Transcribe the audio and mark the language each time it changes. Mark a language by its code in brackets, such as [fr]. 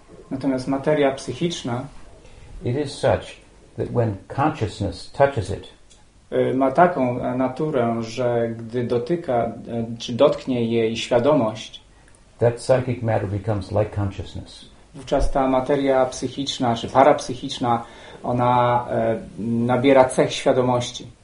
[pl] Natomiast materia psychiczna. [en] It is such that when consciousness touches it. [pl] Ma taką naturę, że gdy dotyka, czy dotknie jej świadomość. [en] That psychic matter becomes like consciousness. [pl] wówczas ta materia psychiczna czy parapsychiczna, ona nabiera cech świadomości.